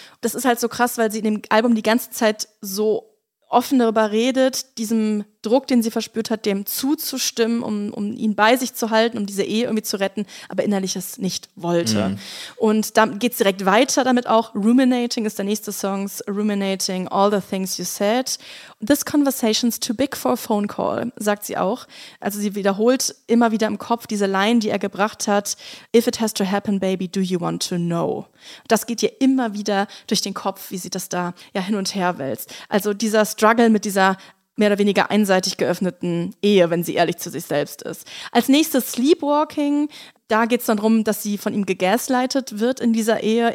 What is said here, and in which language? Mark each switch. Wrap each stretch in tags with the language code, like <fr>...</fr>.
<de>Das ist halt so krass, weil sie in dem Album die ganze Zeit so offen darüber redet, diesem Druck, den sie verspürt hat, dem zuzustimmen, um ihn bei sich zu halten, um diese Ehe irgendwie zu retten, aber innerlich es nicht wollte. Ja. Und da geht es direkt weiter damit auch. Ruminating ist der nächste Song.</de> <en>Ruminating, all the things you said. This conversation's too big for a phone call,</en> <de>sagt sie auch. Also sie wiederholt immer wieder im Kopf diese Line, die er gebracht hat.</de> <en>If it has to happen, baby, do you want to know?</en> <de>Das geht ihr immer wieder durch den Kopf, wie sie das da ja hin und her wälzt. Also dieser Struggle mit dieser mehr oder weniger einseitig geöffneten Ehe, wenn sie ehrlich zu sich selbst ist. Als nächstes Sleepwalking, da geht es dann darum, dass sie von ihm gegaslightet wird in dieser Ehe.</de>